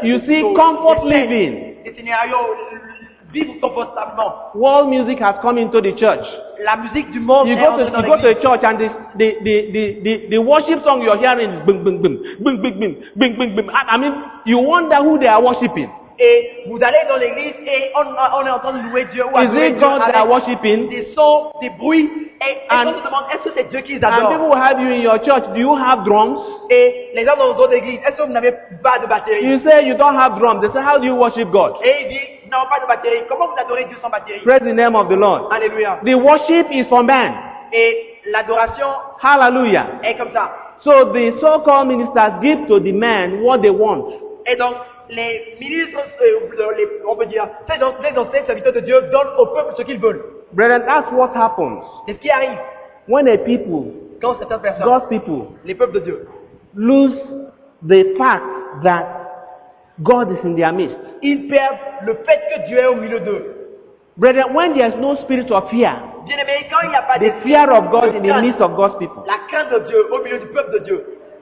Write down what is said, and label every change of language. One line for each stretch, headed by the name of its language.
English: You see comfort living.
French: Des scénarios, vivre confortablement.
English: World music has come into the church.
French: La musique du monde.
English: You go to a church and the worship song you're hearing is bing bing bing bing bing bing bing bing bing. I mean, you wonder who they are worshiping.
French: Et vous allez dans l'église et on est en train de louer Dieu.
English: Is it God they are worshiping?
French: Des sons, des bruits. Et on se demande, est-ce que c'est Dieu qui les adore?
English: And people will have you in your church. Do you have drums?
French: Et les gens dans vos autres églises, est-ce que vous n'avez pas de batterie?
English: You say you don't have drums. They say, how do you worship God?
French: Et il dit, non, pas de batterie. Comment vous adorez Dieu sans batterie?
English: Praise the name of the Lord.
French: Alléluia.
English: The worship is for man.
French: Et l'adoration.
English: Hallelujah.
French: Est comme ça.
English: So the so-called ministers give to the man what they want.
French: Et donc les ministres, on peut dire, les anciens serviteurs de Dieu donnent au peuple ce qu'ils veulent.
English: Brethren, that's what happens.
French: C'est ce qui arrive.
English: When a people,
French: quand certaines personnes,
English: God's people,
French: les peuples de Dieu,
English: lose the fact that God is in their midst.
French: Ils perdent le fait que Dieu est au milieu d'eux.
English: Brethren, when there is no spirit of fear,
French: quand il y a pas
English: the fear of God in the midst of God's people.
French: La crainte de Dieu au milieu du peuple de Dieu.